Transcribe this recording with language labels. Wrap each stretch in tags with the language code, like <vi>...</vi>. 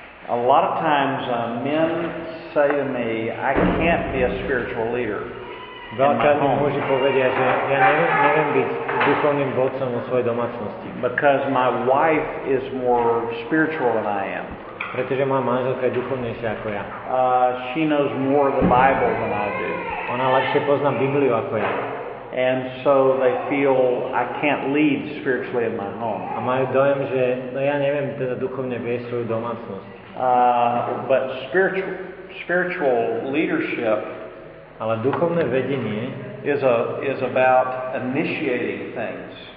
<en>A lot of times men say to me, I can't be a spiritual leader.</en> <sk>Veľakrát mi muži povedia, že ja neviem byť duchovným vodcom vo svojej domácnosti.</sk> <en>Because my wife is more spiritual than I am.</en> <sk>Pretože moja manželka je duchovnejšia ako ja.</sk> <en>She knows more of the Bible than I do.</en> <sk>Ona lepšie pozná Bibliu ako ja.</sk> <en>And so they feel I can't lead spiritually in my home.</en> <sk>A majú dojem, že no ja neviem teda duchovne viesť svoju domácnosť.</sk> <en>But spiritual leadership,</en> <sk>ale duchovné vedenie</sk> <en>is about initiating things.</en>